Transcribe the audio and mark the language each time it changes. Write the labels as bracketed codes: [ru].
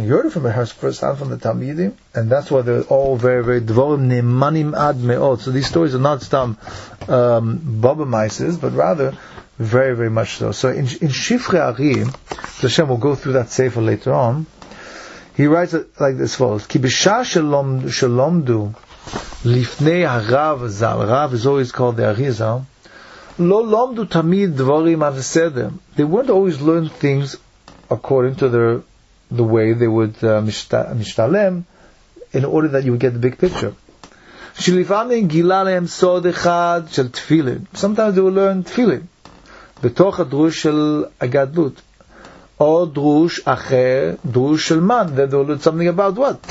[en] He heard it firsthand from the Talmidim. And that's why they're all very, very [he] dvorim ne'manim ad me'ot. [en] So these stories are not some baba mices, but rather very, very much so. So in Shivcha Ari, Hashem will go through that sefer later on, he writes it like this follows. [he] Ki b'shah shalomdu לפני הרב ז"ל, רב [en] is always called the Arizal, [he] לא למדו תמיד דברים על הסדר. [en] They weren't always learned things according to the way they would [he] משתלם [en] in order that you would get the big picture. [he] שלפעמים גילה להם סוד אחד של תפילין. [en] Sometimes they would learn [he] תפילין בתוך הדרוש של הגדלות. או דרוש אחר, דרוש של מן, [en] that they learned something about what?